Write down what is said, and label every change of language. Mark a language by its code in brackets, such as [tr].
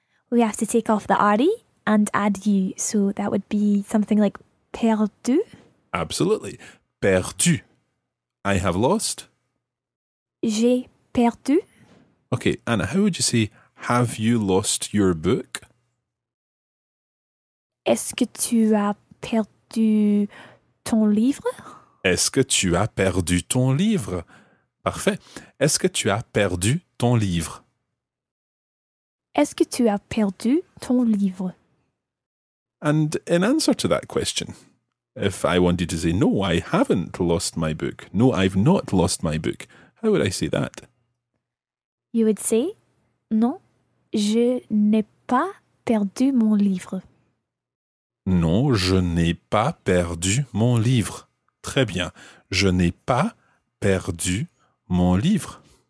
[en] We have to take off the RE and add you, so that would be something like perdu. Absolutely. Perdu. I have lost. [fr] J'ai perdu. [en] Okay, Anna, how would you say, have you lost your book? [fr] Est-ce que tu as perdu ton livre? Est-ce que tu as perdu ton livre? Parfait. Est-ce que tu as perdu ton livre? Est-ce que tu as perdu ton livre? [en] And in answer to that question, if I wanted to say, no, I haven't lost my book. No, I've not lost my book. How would I say that? You would say, [fr] non, je n'ai pas perdu mon livre. Non, je n'ai pas perdu mon livre. Très bien. Je n'ai pas perdu mon livre.